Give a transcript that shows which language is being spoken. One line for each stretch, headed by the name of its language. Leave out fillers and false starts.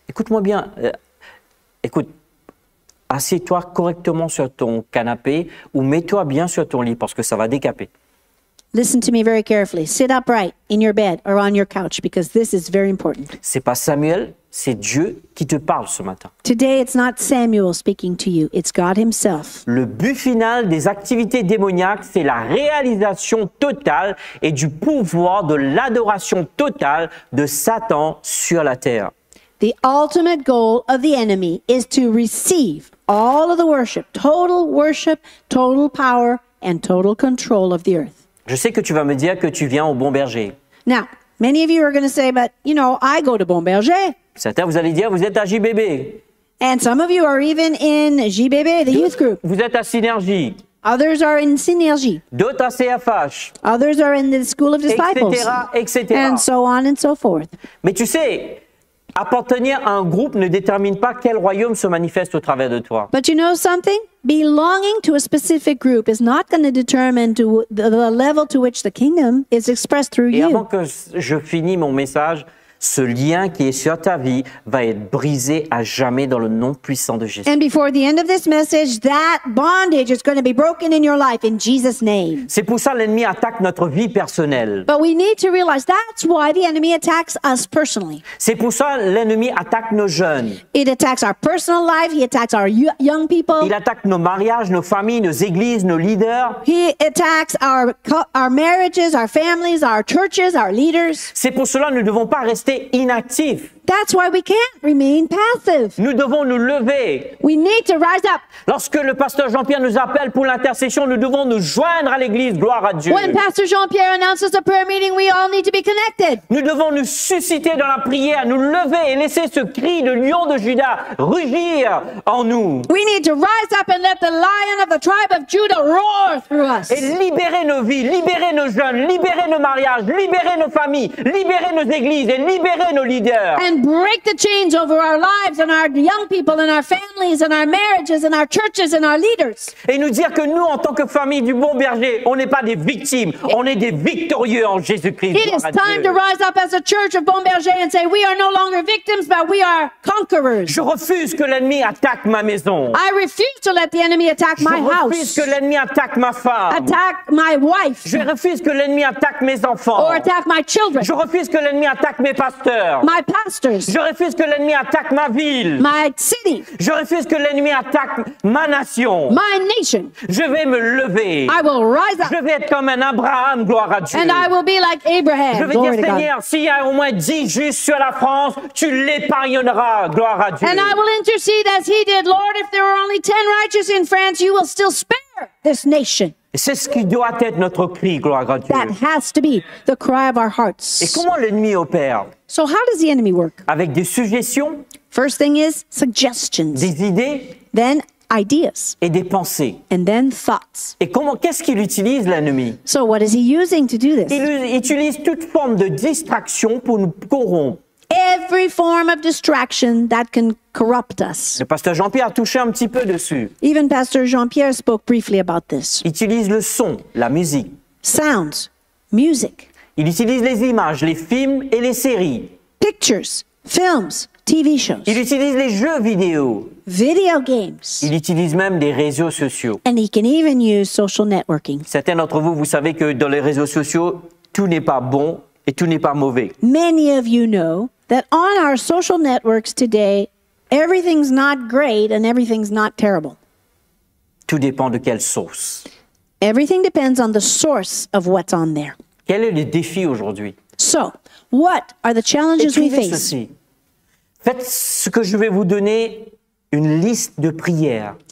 French: Écoute-moi bien. Écoute, assieds-toi correctement sur ton canapé ou mets-toi bien sur ton lit parce que ça va décaper.
English: Listen to me very carefully. Sit upright in your bed or on your couch because this is very important.
French: C'est pas Samuel, c'est Dieu qui te parle ce matin.
English: Today it's not Samuel speaking to you, it's God himself.
French: Le but final des activités démoniaques, c'est la réalisation totale et du pouvoir de l'adoration totale de Satan sur la terre.
English: The ultimate goal of the enemy is to receive all of the worship, total power, and total control of the earth.
French: Je sais que tu vas me dire que tu viens au Bon Berger.
English: Now, many of you are going to say, but you know, I go to Bon Berger.
French: Certains, vous allez dire, vous êtes à JBB.
English: And some of you are even in JBB, the youth group.
French: Vous êtes à Synergie.
English: Others are in Synergie.
French: D'autres à CFH.
English: Others are in the School of Disciples.
French: Etc., etc.
English: And so on and so forth.
French: Mais tu sais, appartenir à un groupe ne détermine pas quel royaume se manifeste au travers de toi.
English: But you know something? Belonging to a specific group is not going to determine to the level to which the kingdom is expressed through you.
French: Et avant que je finis mon message, ce lien qui est sur ta vie va être brisé à jamais dans le nom puissant de Jésus.
English: And before the end of this message, that bondage is going to be broken in your life in Jesus' name.
French: C'est pour ça l'ennemi attaque notre vie personnelle.
English: But we need to realize that's why the enemy attacks us personally.
French: C'est pour ça l'ennemi attaque nos jeunes.
English: It attacks our personal life. He attacks our young people.
French: Il attaque nos mariages, nos familles, nos églises, nos leaders.
English: He attacks our marriages, our families, our churches, our leaders.
French: C'est pour cela nous ne devons pas rester inactif.
English: That's why we can't remain passive.
French: Nous devons nous lever.
English: We need to rise up.
French: Lorsque le pasteur Jean-Pierre nous appelle pour l'intercession, nous devons nous joindre à l'église. Gloire à Dieu.
English: When Pastor Jean-Pierre announces a prayer meeting, we all need to be connected.
French: Nous devons nous susciter dans la prière, nous lever et laisser ce cri de lion de Juda rugir en nous.
English: We need to rise up and let the lion of the tribe of Judah roar through us.
French: Et libérer nos vies, libérer nos jeunes, libérer nos mariages, libérer nos familles, libérer nos églises et libérer nos leaders.
English: And break the chains over our lives and our young people and our families and our marriages and our churches and our leaders.
French: Et nous dire que nous, en tant que famille du Bon Berger, on n'est pas des victimes, on est des victorieux en Jésus-Christ.
English: It is time to rise up as a church of Bon Berger and say, we are no longer victims, but we are conquerors.
French: Je refuse que l'ennemi attaque ma maison.
English: I refuse to let the enemy attack my house.
French: Je refuse que l'ennemi attaque ma femme.
English: Attack my wife.
French: Je refuse que l'ennemi attaque mes enfants.
English: Or attack my children.
French: Je refuse que l'ennemi attaque mes pasteurs.
English: My pastors.
French: Je refuse que l'ennemi attaque ma ville.
English: My city.
French: Je refuse que l'ennemi attaque ma nation.
English: My nation.
French: Je vais me lever.
English: I will rise up.
French: Je vais être comme un Abraham, gloire à Dieu.
English: And I will be like Abraham.
French: Je vais
English: glory
French: dire, Seigneur, s'il y a au moins 10 justes sur la France, tu l'épargneras, gloire à Dieu.
English: And I will intercede as he did. Lord, if there are only 10 righteous in France, you will still spare this nation.
French: C'est ce qui doit être notre cri, gloire à Dieu.
English: That has to be the cry of our hearts.
French: Et comment l'ennemi opère?
English: So how does the enemy work?
French: Avec des suggestions.
English: First thing is suggestions.
French: Des idées.
English: Then ideas.
French: Et des pensées.
English: And then thoughts.
French: Et comment, qu'est-ce qu'il utilise l'ennemi?
English: So what is he using to do this?
French: Il utilise toute forme de distraction pour nous corrompre.
English: Every form of distraction that can corrupt us.
French: Le pasteur Jean-Pierre a touché un petit peu dessus.
English: Even Pastor Jean-Pierre spoke briefly about this.
French: Il utilise le son, la musique.
English: Sounds, music.
French: Il utilise les images, les films et les séries.
English: Pictures, films, TV shows.
French: Il utilise les jeux vidéo.
English: Video games.
French: Il utilise même des réseaux sociaux.
English: And he can even use social networking.
French: Certains d'entre vous, vous savez que dans les réseaux sociaux, tout n'est pas bon. Et tout n'est pas mauvais.
English: Many of you know that on our social networks today, everything's not great and everything's not terrible. Tout dépend de quelle source. Everything depends on the source of what's on there.
French: Quel est le défi aujourd'hui?
English: So, what are the challenges
French: Écrivez
English: we face?
French: Ceci. Faites ce que je vais vous donner, une liste de prières.